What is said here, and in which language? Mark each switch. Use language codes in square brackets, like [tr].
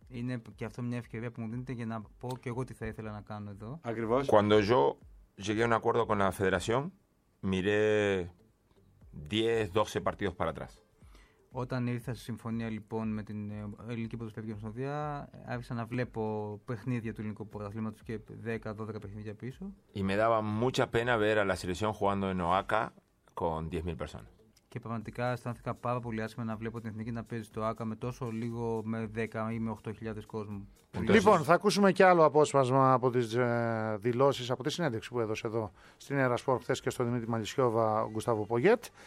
[el] Είναι και αυτό μια ευκαιρία που μου δίνεται για να πω και εγώ τι θα ήθελα να κάνω εδώ. Ακριβώς. [es] Cuando yo llegué a un acuerdo con la federación, miré 10-12 partidos para atrás. [el] Όταν ήρθα σε συμφωνία λοιπόν με την ελληνική ποδοσφαιρική ομοσπονδία, άρχισα να βλέπω παιχνίδια του ελληνικού πρωταθλήματος και 10-12 παιχνίδια πίσω. [es] Y me daba mucha pena ver a la selección jugando en OACA con 10.000 personas. [el] Και πραγματικά αισθάνθηκα πάρα πολύ άσχημα να βλέπω την Εθνική να παίζει το ΆΚΑ με τόσο λίγο, με 10 ή με 8.000 κόσμου. Λοιπόν, θα ακούσουμε και άλλο απόσπασμα από τις δηλώσεις, από τη συνέντευξη που έδωσε εδώ στην Ερασπόρ χθες και στον Δημήτρη Μαλισιώβα, Γκουστάβο Πογιέτ.